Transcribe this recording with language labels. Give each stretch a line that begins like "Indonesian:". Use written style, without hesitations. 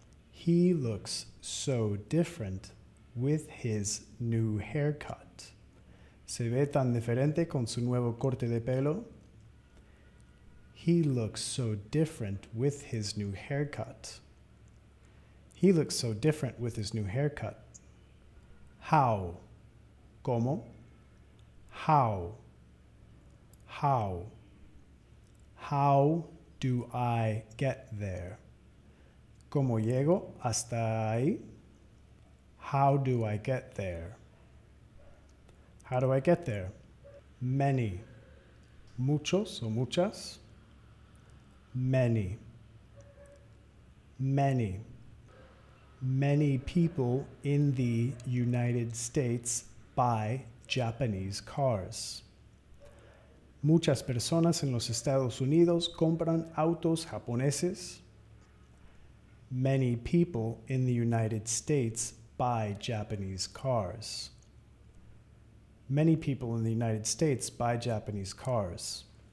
English: He looks so different with his new haircut.
Spanish: Se ve tan diferente con su nuevo corte de pelo.
English: He looks so different with his new haircut. He looks so different with his new haircut. How? ¿Cómo? How? How? How do I get there?
Spanish: ¿Cómo llego hasta ahí?
English: How do I get there? How do I get there? Many.
Spanish: Muchos o muchas.
English: Many. Many. Many people in the United States buy Japanese cars.
Spanish: Muchas personas en los Estados Unidos compran autos japoneses.
English: Many people in the United States buy Japanese cars. Many people in the United States buy Japanese cars.